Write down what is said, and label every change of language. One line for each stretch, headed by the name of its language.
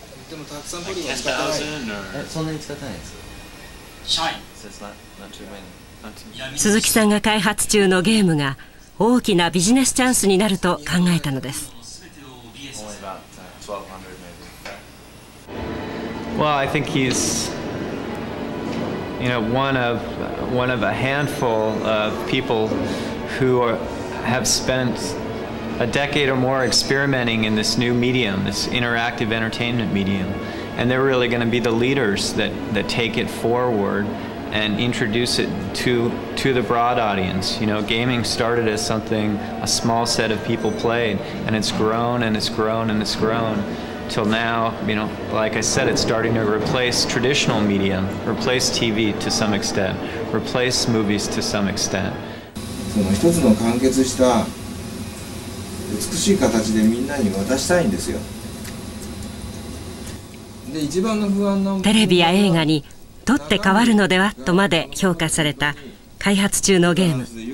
Japanese: でもたくさんポリゴン使ってますよ。そんなに使ってないです。シャイン鈴木さんが開発中のゲームが大きなビジネスチャンスになると考えたのです。
English: Well, I think he's, you know, one of a handful of people who have spent a decade or more experimenting in this new medium, this interactive entertainment medium, and they're really going to be the leaders that take it forward. And introduce it to the broad audience. You know, gaming started as something a small set of people played, and it's grown and it's grown and it's grown till now, you know, like I said, it's starting to replace traditional media, replace TV to some extent, replace movies to some extent.
Japanese: その一つの完結した美しい形でみんなに渡したいんですよ。で、一番の不安なテレビや映画に。取って変わるのではとまで評価された開発中のゲーム。